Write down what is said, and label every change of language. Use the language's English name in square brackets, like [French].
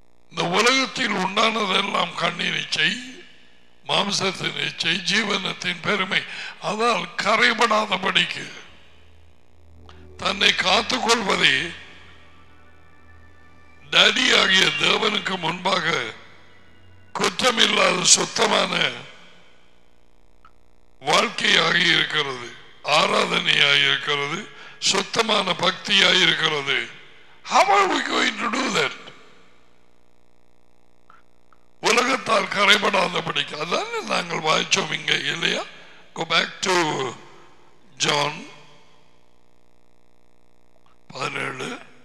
[Tamil] இந்த உலகத்தில் உண்டானதெல்லாம் கண்ணீரிச்சை, மாம்சத்தின் இச்சை, ஜீவனத்தின் பெருமை, அதால் கரைபடாதபடிக்கு தன்னை காத்துக்கொள்வதே டாடியாகிய தேவனுக்கு முன்பாக குற்றமில்லாத சுத்தமான வாழ்க்கையாகி இருக்கிறது, ஆராதனையாயிருக்கிறது, சுத்தமான பக்தியாயிருக்கிறது. [English] How are we going to do that? [Tamil] உலகத்தால் கரைபடாத படிக்க, அதான் நாங்கள் வாய்ச்சோம் இங்கே இல்லையா? [English] Go back to John 17.